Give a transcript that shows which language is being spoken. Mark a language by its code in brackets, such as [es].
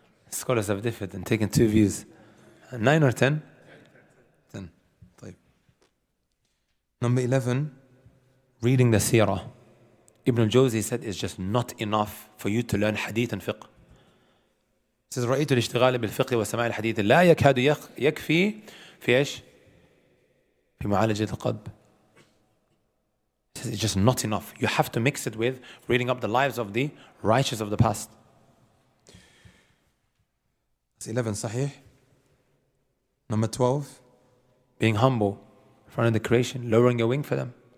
[en] Scholars have differed and taken two views. 9 or 10? 10. [ar] طيب. [en] Number 11, reading the seerah. Ibn al-Jawzi said it's just not enough for you to learn hadith and fiqh. He says, [ar] رأيت الاشتغال بالفقه وسماع الحديث لا يكاد يكفي في إيش؟ في معالجة القلب. [en] He says, it's just not enough. You have to mix it with reading up the lives of the righteous of the past. That's 11, [ar] صحيح. [en] Number 12, being humble in front of the creation, lowering your wing for them.